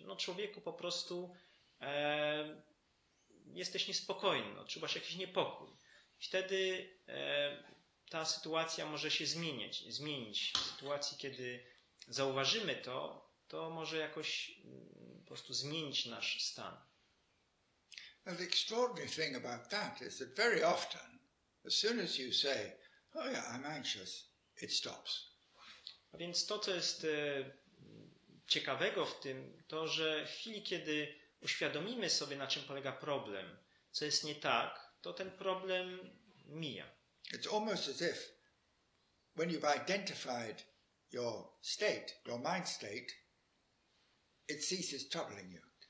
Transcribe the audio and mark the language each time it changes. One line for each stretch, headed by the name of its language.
Polish: No, człowieku, po prostu jesteś niespokojny, odczuwasz jakiś niepokój. Wtedy ta sytuacja może się zmienić. W sytuacji, kiedy zauważymy to, to może jakoś po prostu zmienić nasz stan.
English: Now the extraordinary thing about that is that very often, as soon as you say, oh yeah, I'm anxious, it stops.
Polish: A więc to, co jest ciekawego w tym, to, że w chwili, kiedy uświadomimy sobie, na czym polega problem, co jest nie tak, to ten problem mija.
English: It's almost as if when you've identified your state, your mind state, it ceases troubling you.